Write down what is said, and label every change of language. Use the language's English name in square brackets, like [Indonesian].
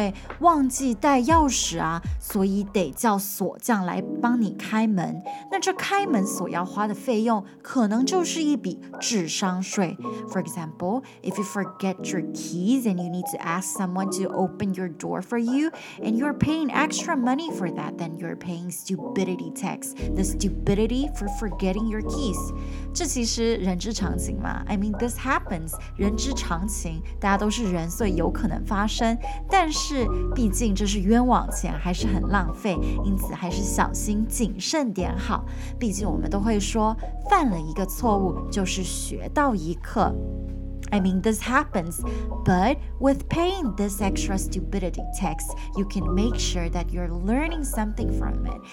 [Chinese] 像平常可能你会因为忘记带钥匙啊, 所以得叫锁匠来帮你开门, 那这开门所要花的费用可能就是一笔智商税。 [English] For example, if you forget your keys and you need to ask someone to open your door for you, and you're paying extra money for that, then you're paying stupidity tax, the stupidity for forgetting your keys. [Chinese] 这其实人之常情嘛, [English] I mean, this happens, [Chinese] 人之常情, 大家都是人, 有可能发生, 但是毕竟这是冤枉钱, 还是很浪费, 因此还是小心谨慎点好, 毕竟我们都会说, 犯了一个错误, 就是学到一课。 [English] I mean, this happens, but with paying this extra stupidity tax, you can make sure that you're learning something from it.